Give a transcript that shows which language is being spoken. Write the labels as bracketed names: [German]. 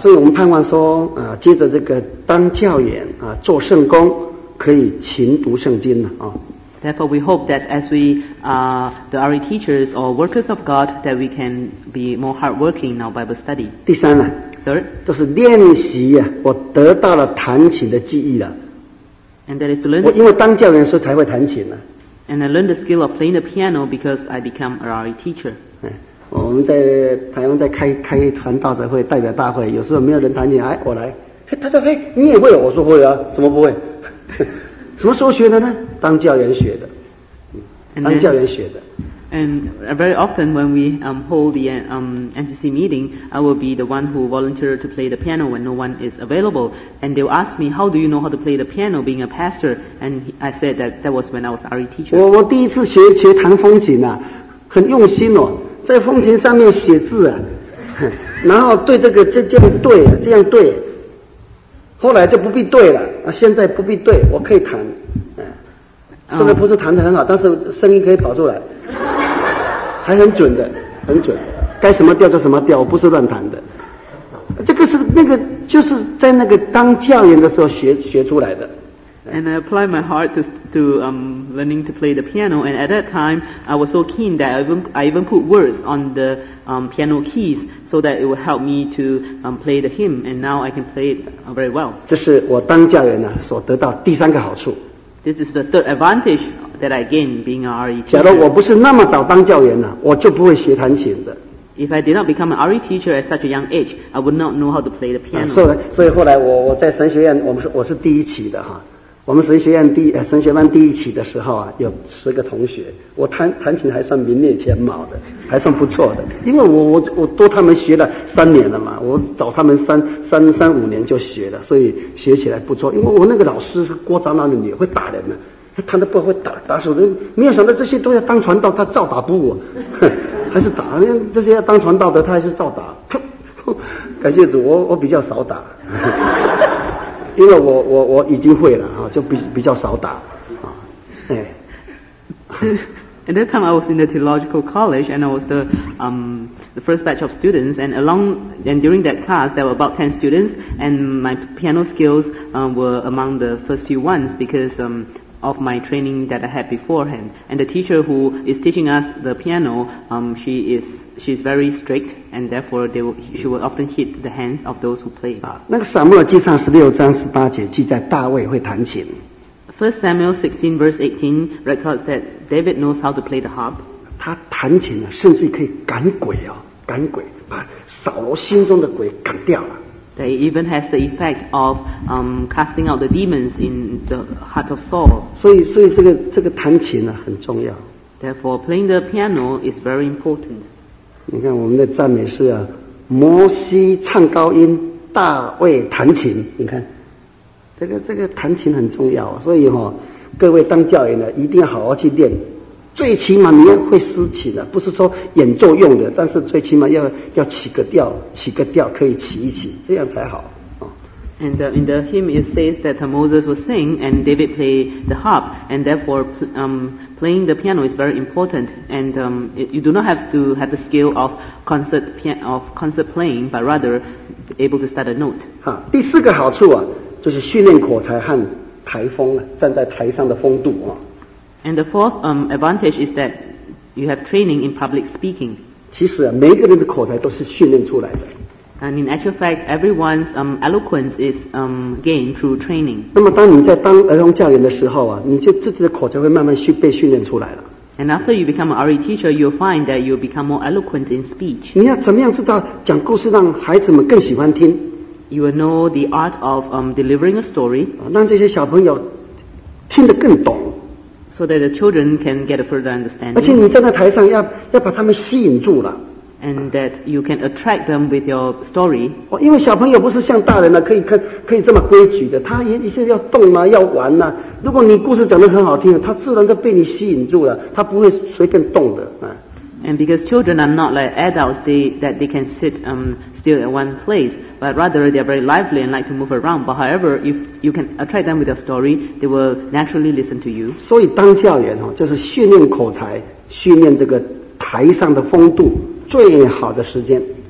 [Chinese] 所以我们盼望说，接着这个当教员啊，做圣工，可以勤读圣经啊。 [English] Therefore, we hope that as we are the RE teachers or workers of God, that we can be more hardworking in our Bible study. [Chinese] 第三呢 [English] ，Third， [Chinese] 就是练习呀，我得到了弹琴的技艺了。 [English] And that is to learn. [Chinese] 我因为当教员时候才会弹琴呢。 [English] And I learned the skill of playing the piano because I became a RE teacher. [Chinese] 我们在台湾在开传道的会代表大会，有时候没有人弹琴，哎，我来。他说：“嘿，你也会？”我说：“会啊，怎么不会？” 什么时候学的呢？当教员学的。当教员学的。 [English] And very often when we hold the NCC meeting, I will be the one who volunteer to play the piano when no one is available. And they will ask me, how do you know how to play the piano being a pastor? And I said that was when I was RE teacher. [Chinese] 我第一次学弹风琴啊，很用心哦，在风琴上面写字啊，然后对这个这样对，这样对，后来就不必对了啊，现在不必对，我可以弹，虽然不是弹得很好，但是声音可以跑出来，还很准的，很准，该什么调就什么调，我不是乱弹的。这个是那个就是在那个当教员的时候学出来的。 [English] And I applied my heart to learning to play the piano. And at that time, I was so keen that I even put words on the piano keys so that it would help me to play the hymn. And now I can play it very well. [Chinese] 这是我当教员呢所得到第三个好处。 [English] This is the third advantage that I gained being an RE teacher. [Chinese] 假如我不是那么早当教员呢，我就不会学弹琴的。 [English] If I did not become an RE teacher at such a young age, I would not know how to play the piano. [Chinese] 所以后来我在神学院，我是第一期的哈。我们神学院神学班第一期的时候啊，有十个同学，我弹琴还算名列前茅的，还算不错的，因为我多他们学了三年了嘛，我找他们三五年就学了，所以学起来不错。因为我那个老师郭长老的女儿会打人呢，他弹得不会打手的，没有想到这些都要当传道，他照打不误，还是打，这些要当传道的他还是照打，感谢主，我比较少打。因为我已经会了啊，就比较少打啊。 [English] At that time, I was in the theological college, and I was the first batch of students. And during that class, there were about 10 students, and my piano skills were among the first few ones because of my training that I had beforehand. And the teacher who is teaching us the piano, she's very strict, and therefore she will often hit the hands of those who play. [Chinese] 那个撒母耳记上16:18记载大卫会弹琴。 [English] First Samuel 16:18 records that David knows how to play the harp. [Chinese] 他弹琴啊，甚至可以赶鬼啊，赶鬼，把扫罗心中的鬼赶掉了。 [English] That even has the effect of casting out the demons in the heart of Saul. [Chinese] 所以这个弹琴啊很重要。 [English] Therefore, playing the piano is very important. [Chinese] 你看我们的赞美诗啊，摩西唱高音，大卫弹琴，你看。这个弹琴很重要，所以哈、各位当教员的一定要好好去练，最起码你要会诗起的，不是说演奏用的，但是最起码要起个调，起个调可以起一起，这样才好。 [English] And in the hymn it says that Moses was sing and David play the harp, and therefore playing the piano is very important. And you do not have to have the skill of concert playing, but rather able to start a note. [Chinese] 第四个好处啊。就是训练口才和台风，站在台上的风度啊。 [English] And the fourth advantage is that you have training in public speaking. [Chinese] 其实啊，每个人的口才都是训练出来的。 [English] And in actual fact, everyone's eloquence is gained through training. [Chinese] 那么当你在当儿童教员的时候啊，你就自己的口才会慢慢被训练出来了。 [English] And after you become an RE teacher, you'll find that you'll become more eloquent in speech. [Chinese] 你要怎么样知道讲故事让孩子们更喜欢听？ [English] You will know the art of delivering a story, [Chinese] 让这些小朋友听得更懂 [English] so that the children can get a further understanding. [Chinese] 而且你站在台上要把他们吸引住了 [English] and that you can attract them with your story. [Chinese] 因为小朋友不是像大人了，可以这么规矩的，他一些要动啊，要玩啊。如果你故事讲得很好听，他自然就被你吸引住了，他不会随便动的啊。 [English] And because children are not like adults, they can sit still in one place, but rather they are very lively and like to move around. But however, if you can attract them with your story, they will naturally listen to you. [Chinese] 所以当教员就是训练口才，训练这个台上的风度，最好的时间。